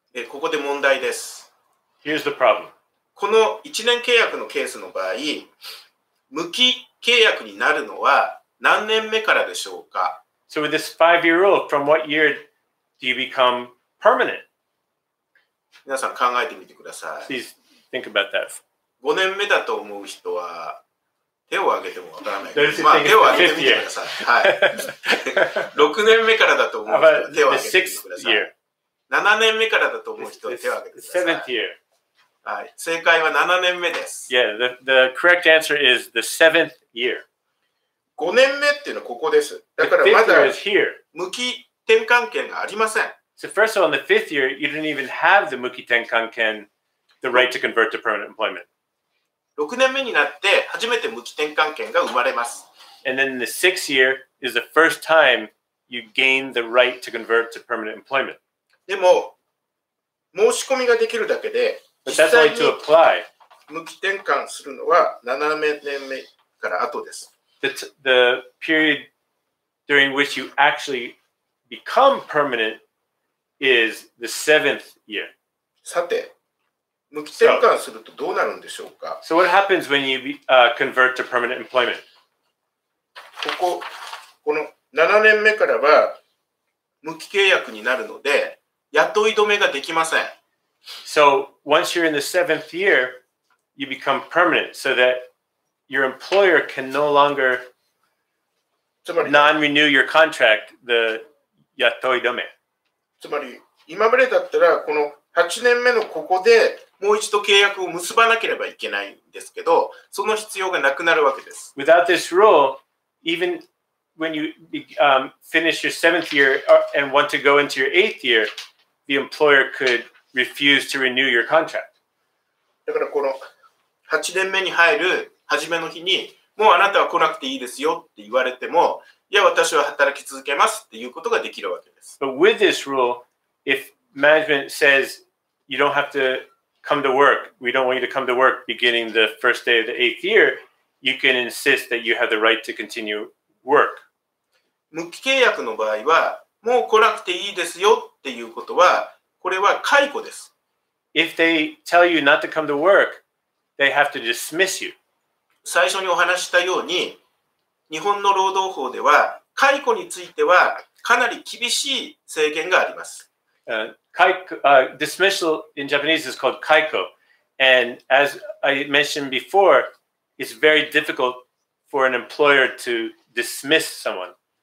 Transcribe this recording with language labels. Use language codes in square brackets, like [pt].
[ja] ここで問題です。 [en] Here's the problem. [ja] この1年契約のケースの場合、無期契約になるのは何年目からでしょうか? [en] So with this five-year rule, from what year... Do you become permanent? [ja] 皆さん考えてみてください。 [en] Please think about that. [ja] 5年目だと思う人は手を挙げてもわからない。 [en] Those [ja] まあ手を挙げてみてください。はい。6年目からだと思う人は手を挙げてみてください。 [en] Year. [ja] 7年目からだと思う人は手を挙げてください。 [en] Seventh year. [ja] はい。正解は7年目です。 [en] Yeah, the correct answer is the seventh year. [ja] 5年目っていうのはここです。だからまだ向き転換権がありません。 [en] So first of all, in the fifth year, you didn't even have the 無期転換権, the right to convert to permanent employment. [ja] 6年目になって初めて無期転換権が生まれます。 [en] And then in the sixth year is the first time you gain the right to convert to permanent employment. [ja] でも、申し込みができるだけで、実際に無期転換するのは7年目から後です。 [en] The period during which you actually... Become permanent is the seventh year. [ja] さて、無期転換するとどうなるんでしょうか? [en] So what happens when you convert to permanent employment? [ja] この7年目からは無期契約になるので雇い止めができません。 [en] So once you're in the seventh year, you become permanent so that your employer can no longer non-renew your contract, the... [ja] 雇い止め。つまり今までだったらこの8年目のここでもう一度契約を結ばなければいけないんですけど、その必要がなくなるわけです。 [en] Without this rule, even when you finish your seventh year and want to go into your eighth year, the employer could refuse to renew your contract. [ja] だからこの8年目に入る初めの日にもうあなたは来なくていいですよって言われても。いや、私は働き続けますっていうことができるわけです。 [en] But with this rule, if management says you don't have to come to work, we don't want you to come to work beginning the first day of the eighth year, you can insist that you have the right to continue work. [ja] 無期契約の場合はもう来なくていいですよっていうことは、これは解雇です。 [en] If they tell you not to come to work, they have to dismiss you. [ja] 最初にお話したように、日本の労働法では解雇についてはかなり厳しい制限があります。 [en] Dismissal in Japanese is called kaiko. And as I mentioned before, it's very difficult for an employer to dismiss someone.